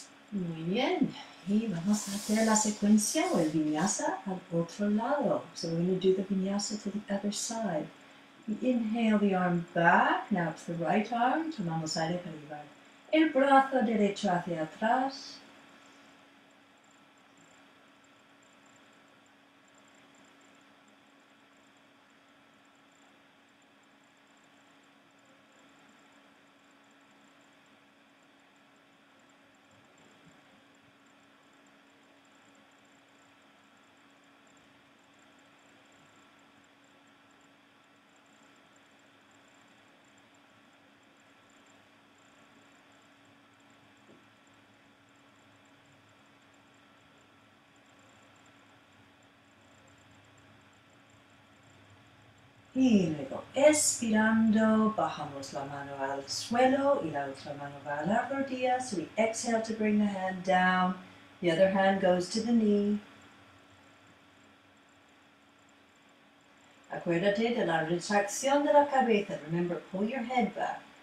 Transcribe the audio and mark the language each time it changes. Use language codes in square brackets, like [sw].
[es] Muy bien, y vamos a hacer la secuencia o el vinyasa al otro lado. [en] So we're going to do the vinyasa to the other side. We inhale the arm back, now it's the right arm, [es] tomamos aire para llevar el brazo derecho hacia atrás. Y luego, expirando, bajamos la mano al suelo y la otra mano va a la rodilla. [en] So we exhale to bring the hand down. The other hand goes to the knee. [es] Acuérdate de la retracción de la cabeza. [en] Remember, pull your head back.